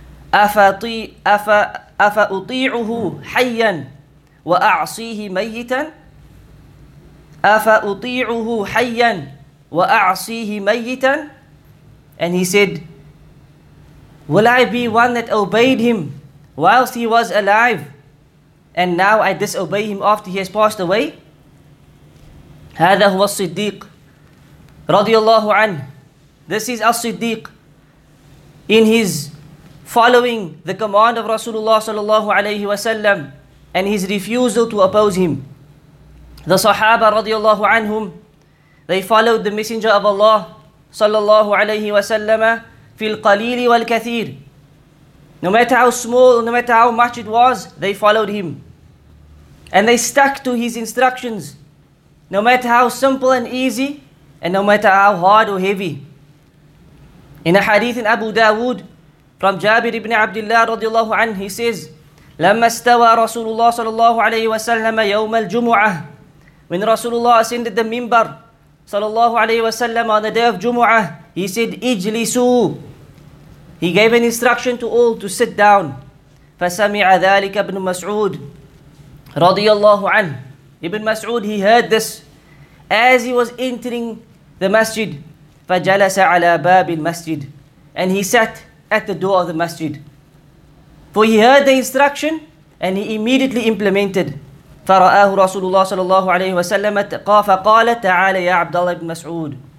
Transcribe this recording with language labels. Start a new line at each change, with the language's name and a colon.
Arabic: أَفَأُطِيعُهُ حَيًّا وَأَعْصِيهِ مَيِّتًا أَفَأُطِيعُهُ حَيًّا وَأَعْصِيهِ مَيِّتًا.
English: And he said, will I be one that obeyed him whilst he was alive, and now I disobey him after he has passed away?
Arabic: هذا هو الصديق رضي الله عنه.
English: This is al-Siddiq in his following the command of Rasulullah sallallahu alayhi wa sallam and his refusal to oppose him. The Sahaba رضي الله عنهم, they followed the Messenger of Allah sallallahu alayhi wa sallam
Arabic: في القليل والكثير.
English: No matter how small, no matter how much it was, they followed him. And they stuck to his instructions, no matter how simple and easy, and no matter how hard or heavy. In a hadith in Abu Dawood, from Jabir ibn Abdullah radiallahu anhu, he says,
Arabic: لما استوى رسول الله صلى الله عليه وسلم يوم الجمعة,
English: when Rasulullah ascended the minbar صلى الله عليه وسلم on the day of Jumu'ah, he said,
Arabic: اجلسوا.
English: He gave an instruction to all to sit down.
Arabic: فسمع ذلك ابن مسعود رضي الله عنه.
English: Ibn Mas'ud, he heard this as he was entering the masjid.
Arabic: فجلس على باب المسجد,
English: and he sat at the door of the masjid. For he heard the instruction and he immediately implemented.
Arabic: فرآه رسول الله صلى الله عليه وسلم فقال تعالى يا عبد الله بن مسعود.